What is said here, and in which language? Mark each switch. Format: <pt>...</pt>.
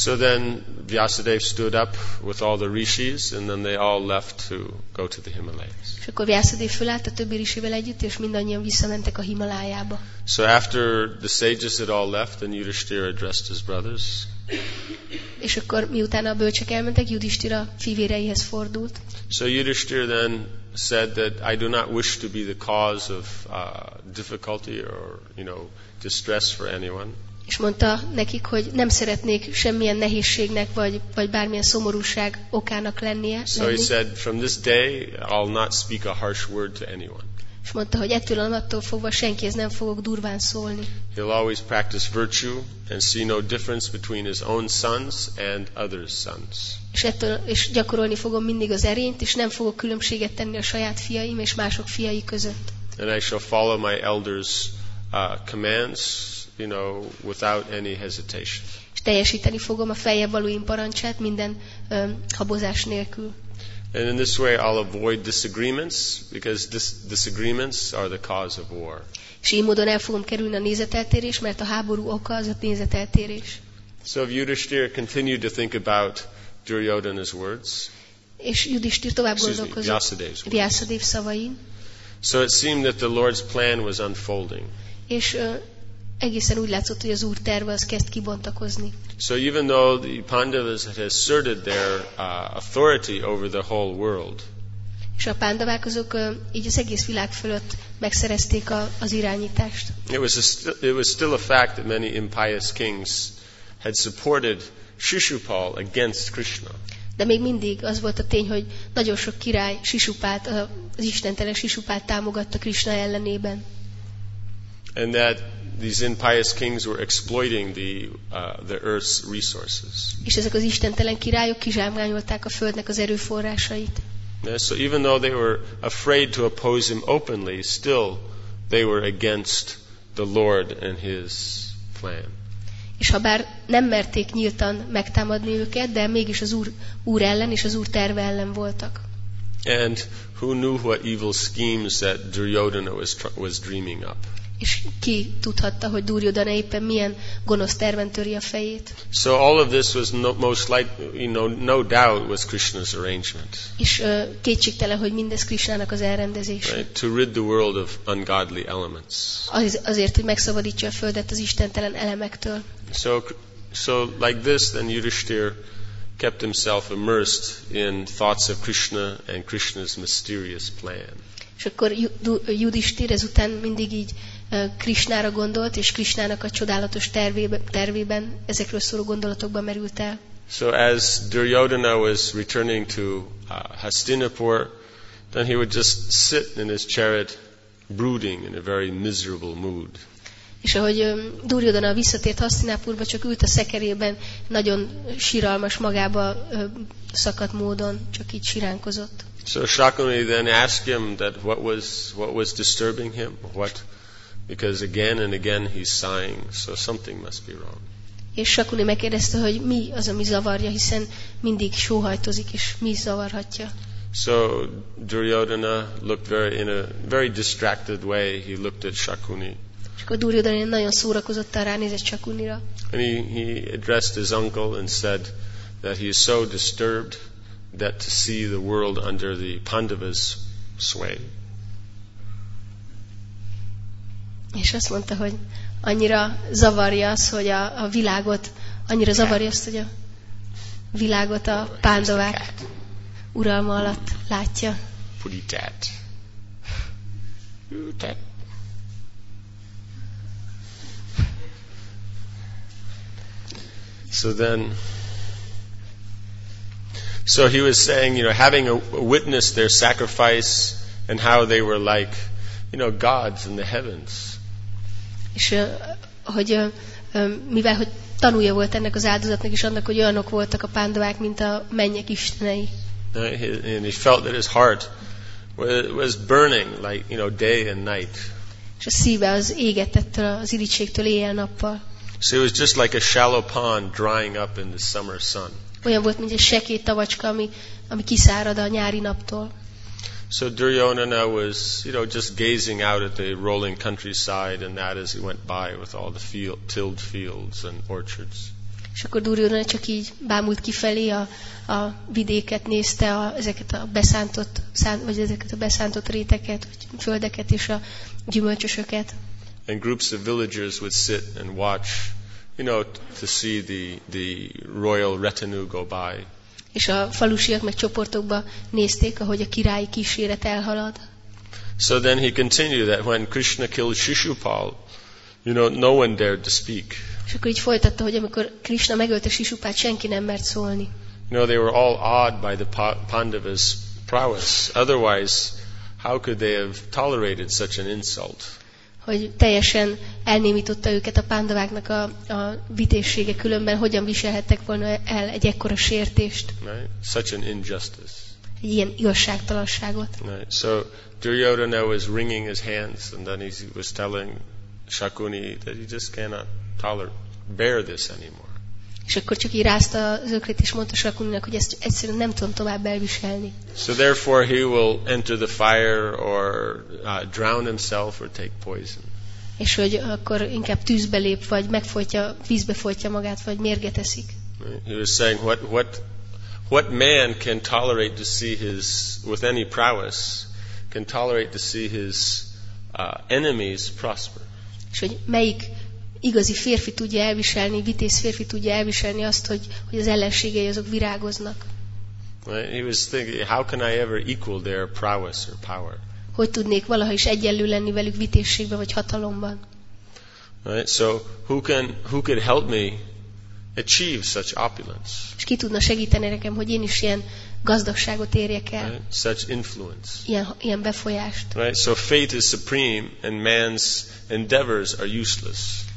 <en>So then Vyasadeva stood up with all the rishis, and then they all left to go to the Himalayas.</en> <hu>És akkor Vyasadeva fölállt a többi rishivel együtt, és mindannyian visszamentek a Himalájába.</hu> <en>So after the sages had all left, then Yudhisthira addressed his brothers.</en> <hu>És akkor miután a bölcsek elmentek, Yudhisthira fivéreihez fordult.</hu> <en>So Yudhisthira then said that I do not wish to be the cause of difficulty or you know distress for anyone.</en> <hu>És mondta nekik, hogy nem szeretnék semmilyen nehézségnek vagy bármilyen szomorúság okának lennie.</hu> <en>So he said, from this day I'll not speak a harsh word to anyone.</en> <hu>És mondta, hogy ettől a naptól fogva senkihez nem fogok durván szólni.</hu> <en>He'll always practice virtue and see no difference between his own sons and others' sons.</en> <hu>És gyakorolni fogom mindig az erényt, és nem fogok különbséget tenni a saját fiaim és mások fiai között.</hu> <en>And I shall follow my elders' commands, you know, without any hesitation.</en> <hu>És teljesíteni fogom a feljebb valóim parancsát minden habozás nélkül.</hu> <en>And in this way I'll avoid disagreements because disagreements are the cause of war.</en> <hu>És így módon el fogom kerülni a nézeteltérés, mert a háború oka az a nézeteltérés.</hu> <en>So Yudhisthira continued to think about Duryodhana's words.</en> <hu>És Yudhisthira tovább gondolkozott Vyasadev szavain.</hu> <en>So it seemed that the Lord's plan was unfolding.</en> <hu>És egészen úgy látszott, hogy az Úr terve az kezd kibontakozni.</hu> <en>So even though the Pandavas had asserted their authority over the whole world.</en> <hu>És a Pandavák azok így az egész világ fölött megszerezték az irányítást.</hu> <en>It was still a fact that many impious kings had supported Shishupal against Krishna.</en> <hu>De még mindig az volt a tény, hogy nagyon sok király Shishupalt, az istentelen Shishupalt támogatta Krishna ellenében.</hu> <en>And that these impious kings were exploiting the earth's resources.</en> <hu>És ezek az istentelen királyok kizsákmányolták a földnek az erőforrásait.</hu> <en>Yeah, so even though they were afraid to oppose him openly, still they were against the Lord and his plan.</en> <hu>És ha bár nem merték nyíltan megtámadni őket, de mégis az úr ellen és az úr terve ellen voltak.</hu> <en>And who knew what evil schemes that Duryodhana was dreaming up?</en> <hu>És ki tudhatta, hogy Duryodhana éppen milyen gonosz terven töri a fejét.</hu> <en>So all of this was no doubt was Krishna's arrangement.</en> <hu>És kétségtelen, hogy mindez Krishnának az elrendezése.</hu> <en>Right, to rid the world of ungodly elements.</en> <hu>Azért, hogy megszabadítsa a földet az istentelen elemektől.</hu> <en>So like this, then Yudhisthira kept himself immersed in thoughts of Krishna and Krishna's mysterious plan.</en> <hu>És akkor Yudhisthira ezután mindig így Krishnára gondolt, és Krishnának a csodálatos tervében ezekről szóló gondolatokba merült el.</hu> <en>So as Duryodhana was returning to Hastinapur, then he would just sit in his chariot brooding in a very miserable mood.</en> <hu>És ahogy Duryodhana visszatért Hastinapurba, csak ült a szekerében, nagyon síralmas, magába szakadt módon, csak így siránkozott.</hu> <en>So Shakuni then asked him that what was disturbing him, what, because again and again he's sighing, so something must be wrong.</en> <hu>És Shakuni megkérdezte, hogy mi az, ami zavarja, hiszen mindig sóhajtozik, és mi zavarhatja.</hu> <en>So Duryodhana looked in a very distracted way, he looked at Shakuni.</en> <hu>És akkor Duryodhana nagyon szórakozottan ránézett Shakunira.</hu> <en>And he addressed his uncle and said that he is so disturbed that to see the world under the Pandavas' sway.</en> <hu>És azt mondta, hogy annyira zavarja az, hogy a világot, annyira zavarja azt, hogy a világot a Pandavák uralma alatt látja. puditát. Tehát</hu> <en>So he was saying, you know, having a witness their sacrifice and how they were like, you know, gods in the heavens.</en> <hu>És hogy mivel hogy tanúja volt ennek az áldozatnak és annak, hogy olyanok voltak a pándovák, mint a mennyek istenei.</hu> <en>And he felt that his heart was burning like, you know, day and night.</en> <hu>És a szíve az égett ettől az irítségtől éjjel-nappal.</hu> <en>So it was just like a shallow pond drying up in the summer sun.</en> <hu>Olyan volt, mint egy sekély tavacska, ami kiszárad a nyári naptól.</hu> <en>So Duryodhana was, you know, just gazing out at the rolling countryside and that as he went by with all the tilled fields and orchards.</en> <hu>És akkor Duryodhana csak így bámult kifelé a vidéket, nézte ezeket a beszántott vagy ezeket a beszántott réteket, vagy földeket és a gyümölcsösöket.</hu> <en>And groups of villagers would sit and watch, you know, to see the royal retinue go by.</en> <hu>És a falusiak meg csoportokba nézték, ahogy a királyi kíséret elhalad.</hu> <en>So then he continued that when Krishna killed Shishupal, you know, no one dared to speak.</en> <hu>És akkor így folytatta, hogy amikor Krishna megölte Shishupalt, senki nem mert szólni.</hu> <en>You know, they were all awed by the Pandavas' prowess. Otherwise, how could they have tolerated such an insult?</en> <hu>Hogy teljesen elnémította őket a pándováknak a vitézsége, különben hogyan viselhettek volna el egy ekkora sértést.</hu> <en>Right. Such an injustice.</en> <hu>Egy ilyen igazságtalanságot.</hu> <en>Right. So Duryodhana was wringing his hands and then he was telling Shakuni that he just cannot bear this anymore.</en> <hu>És akkor csak így rázta az ökrét és mondta Shakuninak, hogy ezt egyszerűen nem tudom tovább elviselni.</hu> <en>So therefore he will enter the fire or drown himself or take poison.</en> <hu>És hogy akkor inkább tűzbe lép, vagy megfojtja, vízbe folytja magát, vagy mérget eszik.</hu> <en>He was saying, what man can tolerate to see his, with any prowess, can tolerate to see his enemies prosper.</en> <hu>És hogy melyik igazi férfi tudja elviselni, vitéz férfi tudja elviselni azt, hogy az ellenségei azok virágoznak.</hu> <en>He was thinking, how can I ever equal their prowess or power?</en> <hu>Hogy tudnék valaha is egyenlő lenni velük vitézségben vagy hatalomban?</hu> <en>Right, so who could help me achieve such opulence?</en> <hu>És ki tudna segíteni nekem, hogy én is ilyen gazdagságot érjek el?</hu> <en>Right, such influence.</en> <hu>Ilyen befolyást.</hu> <en>Right, so fate is supreme and man's endeavors are useless.</en>